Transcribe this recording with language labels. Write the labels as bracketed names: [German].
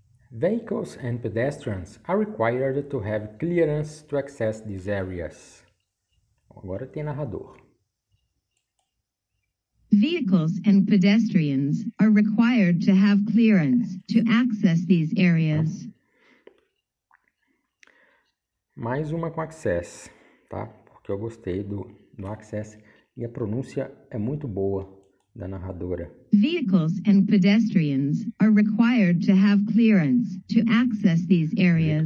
[English] Vehicles and pedestrians are required to have clearance to access these areas. [Portuguese] Agora tem narrador. [English] Vehicles and pedestrians are required to have clearance to access these areas. [Portuguese] Mais uma com access, tá? Porque eu gostei do access e a pronúncia é muito boa da narradora. [English] Vehicles and pedestrians are required to have clearance to access these areas.